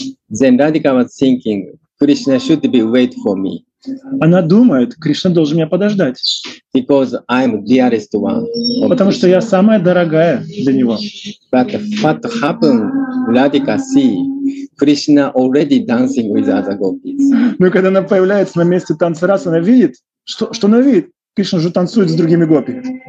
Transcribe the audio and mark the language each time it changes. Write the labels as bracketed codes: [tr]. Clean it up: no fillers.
[en] Then Radhika was thinking, Krishna should be wait for me. [ru] Она думает, Кришна должен меня подождать. [en] Because I'm the dearest one. [ru] Потому что я самая дорогая для него. [en] But what happened, Radhika see Krishna already dancing with other gopis. [ru] Но когда она появляется на месте танца раз, она видит, что она видит, Кришна уже танцует с другими гопи.